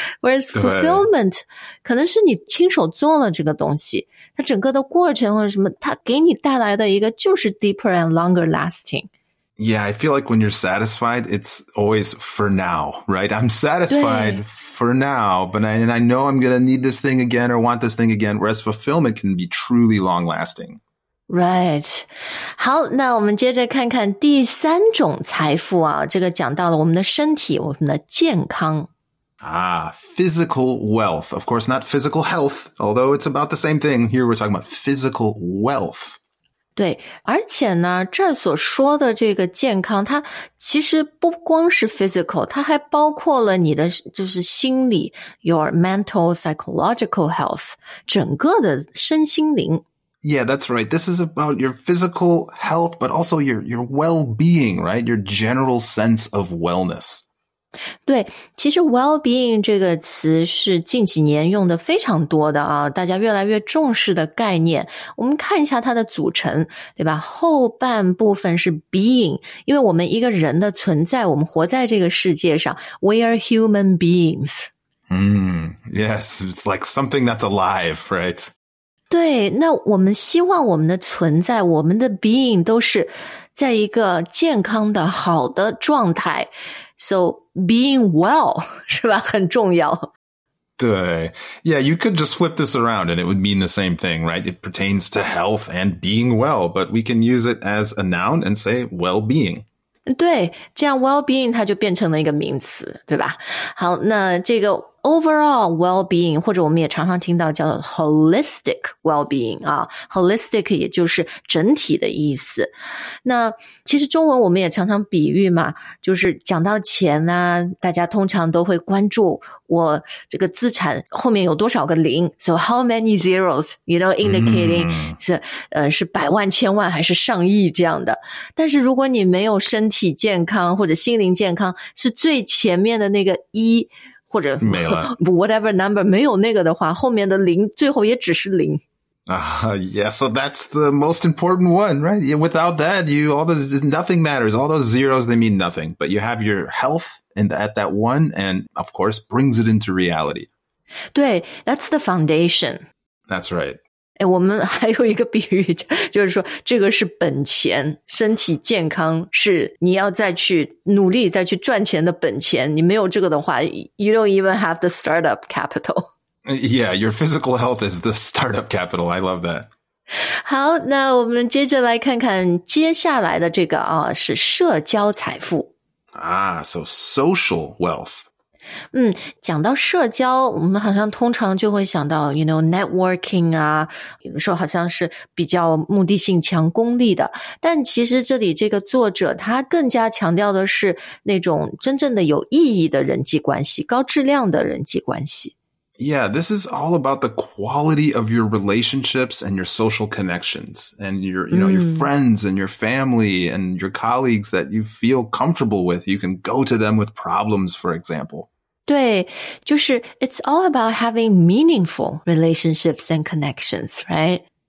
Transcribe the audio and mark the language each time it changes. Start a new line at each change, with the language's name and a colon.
English: Whereas fulfillment,
Chinese: 可能是你亲手做了这个东西，它整个的过程或者什么，它给你带来的一个就是
English: deeper and longer lasting。 Yeah, I feel like when you're satisfied, it's always for now, right? I'm satisfied for now, but I know I'm going to need this thing again or want this thing again, whereas fulfillment can be truly long lasting. Right.
Chinese: 好，那我们接着看看第三种财富啊，这个讲到了我们的身体，我们的健康。
English: Ah, physical wealth. Of course, not physical health, although it's about the same thing. Here we're talking about physical wealth.
Chinese: 对，而且呢，这所说的这个健康，它其实不光是 physical, 它还包括了你的就是心理 ,
English: your mental psychological health,
Chinese: 整个的身心灵。
English: Yeah, that's right. This is about your physical health, but also your well-being, right? Your general sense of wellness.
Chinese: 对，其实 well-being 这个词是近几年用的非常多的啊，大家越来越重视的概念。我们看一下它的组成，对吧？后半部分是 being, 因为我们一个人的存在，我们活在这个世界上，
English: we are human beings. Yes, it's like something that's alive, right?
Chinese: 对，那我们希望我们的存在，我们的 being 都是在一个健康的好的状态。
English: So being well,
Chinese: 是吧？很重要。对。
English: Yeah, you could just flip this around and it would mean the same thing, right? It pertains to health and being well, but we can use it as a noun and say well-being.
Chinese: 对，这样 well-being 它就变成了一个名词，对吧？好，那这个 overall well-being, 或者我们也常常听到叫 holistic well-being 啊 ,holistic 也就是整体的意思。那其实中文我们也常常比喻嘛，就是讲到钱呢、啊、大家通常都会关注我这个资产后面有多少个零 ,
English: so how many zeros, you know, indicating、
Chinese: mm. 是百万千万还是上亿这样的。但是如果你没有身体健康或者心灵健康，是最前面的那个一或者没了
English: whatever number,
Chinese: 没有那个的话，后面的零最后也只是零。
English: Yeah, so that's the most important one, right? Without that, nothing matters. All those zeros, they mean nothing. But you have your health at that one, and of course, brings it into reality. 对, that's the foundation. That's right.
Chinese: 诶我们还有一个比喻，就是说这个是本钱，身体健康是你要再去努力再去赚钱的本钱。你没有这个的话
English: ,you don't even have the startup capital. Yeah, your physical health is the startup capital. I love that.
Chinese: 好，那我们接着来看看接下来的这个啊，是社交财富。
English: Ah, so social wealth.
Chinese: 嗯，讲到社交，我们好像通常就会想到
English: you know, networking
Chinese: 啊，有时候好像是比较目的性强、功利的。但其实这里这个作者他更加强调的是那种真正的有意义的人际关系，高质量的人际关系。
English: Yeah, this is all about the quality of your relationships and your social connections and your, you know, your friends and your family and your colleagues that you feel comfortable with. You can go to them with problems, for example. 对，就是 it's all about having meaningful relationships and connections, right?